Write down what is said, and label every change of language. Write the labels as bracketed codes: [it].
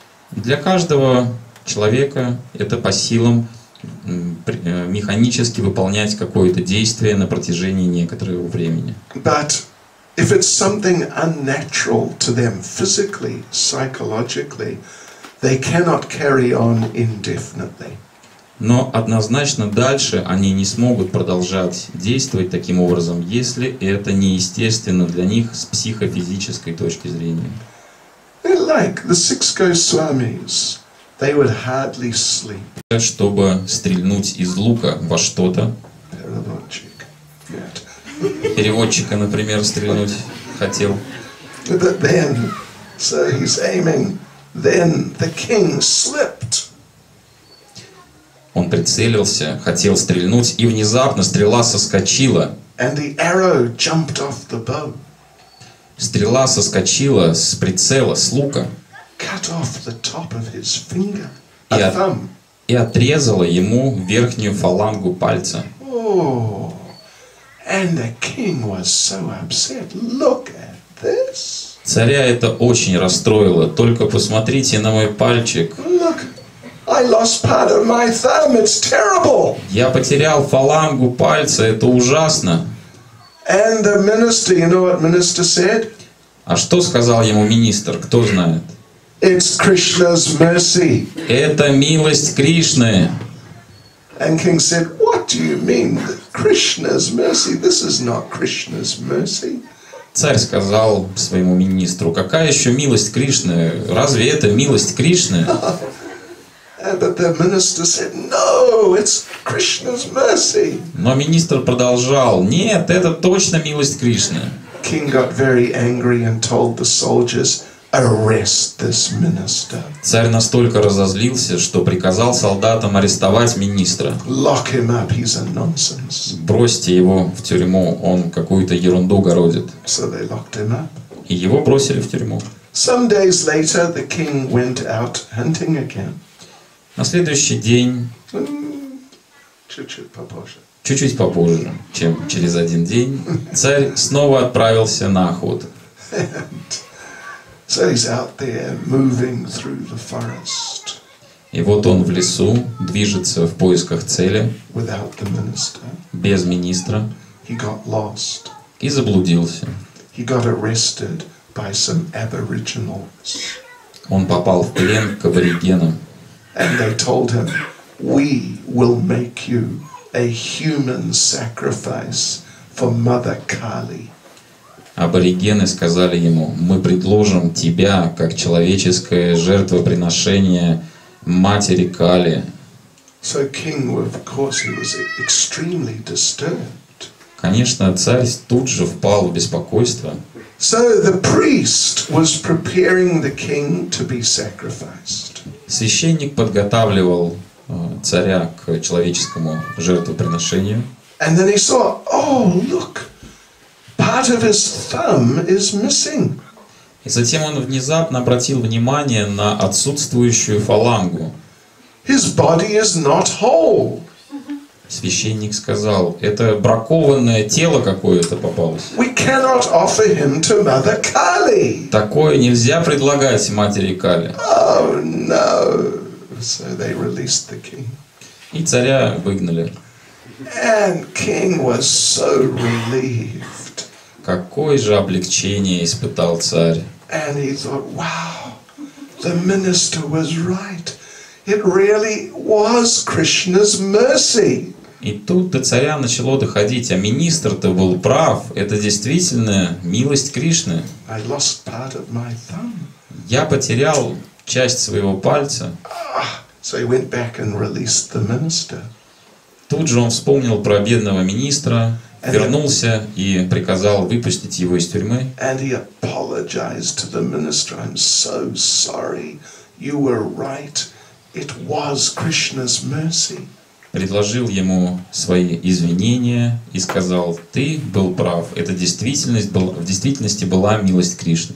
[ru] Для каждого человека это по силам. Механически выполнять какое-то действие на протяжении некоторого времени. [en] But if it's something unnatural to them physically, psychologically, they cannot carry on indefinitely. [ru] Но однозначно дальше они не смогут продолжать действовать таким образом, если это неестественно для них с психофизической точки зрения. [en] Like the six Goswamis. They would hardly sleep. [ru] Чтобы стрельнуть из лука во что-то. Переводчик. Нет. Переводчика, например, стрельнуть хотел. [en] But then, so he's aiming. Then the king slipped. [ru] Он прицелился, хотел стрельнуть, и внезапно стрела соскочила. [en] And the arrow jumped off the bow. [ru] Стрела соскочила с прицела, с лука. [en] Cut off the top of his finger, a thumb. [ru] И отрезала ему верхнюю фалангу пальца. [en] Oh, and the king was so upset. Look at this. [ru] Царя это очень расстроило. Только посмотрите на мой пальчик. [en] Look, I lost part of my thumb. It's terrible. [ru] Я потерял фалангу пальца. Это ужасно. [en] And the minister, you know what minister said? [ru] А что сказал ему министр? Кто знает? [en] It's Krishna's mercy. [ru] Это милость Кришны. [en] And King said, "What do you mean, Krishna's mercy? This is not Krishna's mercy." [ru] Царь сказал своему министру, какая еще милость Кришны? Разве это милость Кришны? [en] But the minister said, "No, it's Krishna's mercy." [ru] Но министр продолжал, нет, это точно милость Кришны. [en] King got very angry and told the soldiers. Arrest this minister. [ru] Царь настолько разозлился, что приказал солдатам арестовать министра. [en] Lock him up, he's a nonsense. [ru] Бросьте его в тюрьму, он какую-то ерунду городит. [en] So they locked him up. [ru] И его бросили в тюрьму. [en] Some days later, the king went out hunting again. [ru] На следующий день. Чуть-чуть попозже, чем через один день, царь снова отправился на охоту. [en] So he's out there moving through the forest. [ru] И вот он в лесу движется в поисках цели. [en] Without the minister. [ru] Без министра. [en] He got lost. [ru] И заблудился. [en] He got arrested by some aboriginals. [ru] Он попал в плен к аборигенам. [en] And they told him, "We will make you a human sacrifice for Mother Kali." [ru] Аборигены сказали ему, мы предложим тебя, как человеческое жертвоприношение матери Кали. [en] So King, of course, he was extremely disturbed. [ru] Конечно, царь тут же впал в беспокойство. [en] So the priest was preparing the king to be sacrificed. [ru] Священник подготавливал царя к человеческому жертвоприношению. [en] And then he saw, oh, look, pa! part of his thumb is missing. [ru] И затем он внезапно обратил внимание на отсутствующую фалангу. [en] His body is not whole. [ru] Священник сказал: это бракованное тело какое-то попалось. [en] We cannot offer him to Mother Kali. [ru] Такое нельзя предлагать матери Кали. [en] Oh no! So they released the king. [ru] И царя выгнали. [en] And king was so relieved. [ru] Какое же облегчение испытал царь. [en] And he thought, wow, the minister was right. It really was Krishna's mercy. [ru] И тут до царя начало доходить, а министр-то был прав, это действительно милость Кришны. [en] I lost part of my thumb. [ru] Я потерял часть своего пальца. [en] So he went back and released the minister. [ru] Тут же он вспомнил про бедного министра, and вернулся и приказал выпустить его из тюрьмы. [en] And he apologized to the minister. I'm so sorry. You were right. It was Krishna's mercy. [ru] Предложил ему свои извинения и сказал: ты был прав, это в действительности была милость Кришны.